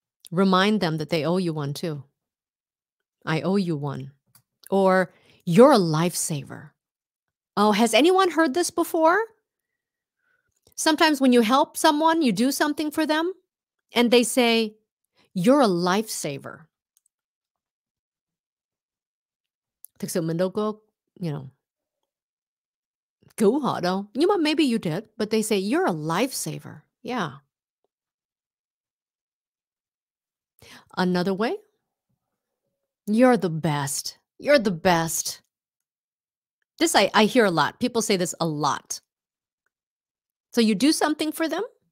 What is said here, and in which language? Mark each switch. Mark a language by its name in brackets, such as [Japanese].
[English] Remind them that they owe you one too. I owe you one. Or you're a lifesaver. Oh, has anyone heard this before? Sometimes when you help someone, you do something for them, and they say, you're a lifesaver. [Vietnamese] Thực sự mình đâu có, [English] you know. [Vietnamese] Cứu họ đâu. Nhưng mà [English] maybe you did, but they say you're a lifesaver. Yeah. Another way. You're the best. You're the best. This I hear a lot. People say this a lot. So you do something for them.